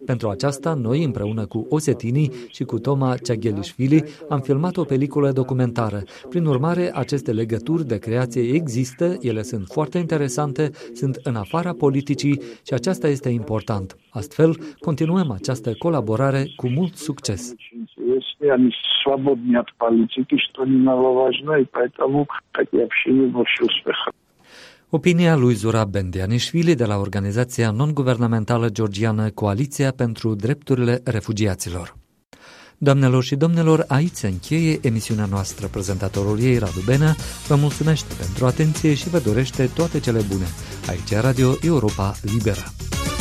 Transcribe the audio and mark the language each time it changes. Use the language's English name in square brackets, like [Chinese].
[Romanian] Pentru aceasta, noi, împreună cu osetinii și cu Toma Ceaghelișvili, am filmat o peliculă documentară. Prin urmare, aceste legături de creație există, ele sunt foarte interesante, sunt în afara politicii și aceasta este important. Astfel, continuăm această colaborare cu mult succes! [Russian] если они свободны от политики, что немаловажно, и поэтому такие общения больше успеха. [Romanian] Opinia lui Zurab Bendianishvili de la organizația non-guvernamentală georgiană Coaliția pentru Drepturile Refugiaților. Doamnelor și domnilor, aici se încheie emisiunea noastră. Prezentatorul ei, Radu Benea, vă mulțumește pentru atenție și vă dorește toate cele bune. Aici Radio Europa Liberă.